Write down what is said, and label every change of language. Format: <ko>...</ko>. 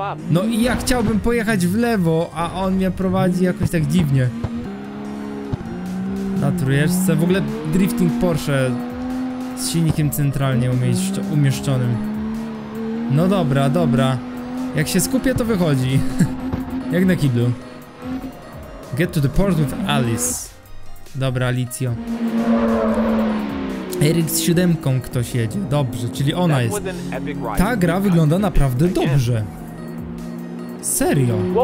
<pl>No i ja chciałbym pojechać w lewo, a on mnie prowadzi jakoś tak dziwnie. Na trójeczce, w ogóle drifting Porsche z silnikiem centralnie umieszczonym. No dobra, dobra. Jak się skupię, to wychodzi. Jak na kiblu.</pl> <en>Get to the port with Alice.</en> <pl>Dobra, Alicjo. Eric z siódemką ktoś jedzie. Dobrze, czyli ona jest. Ta gra wygląda naprawdę dobrze. Serio.</pl>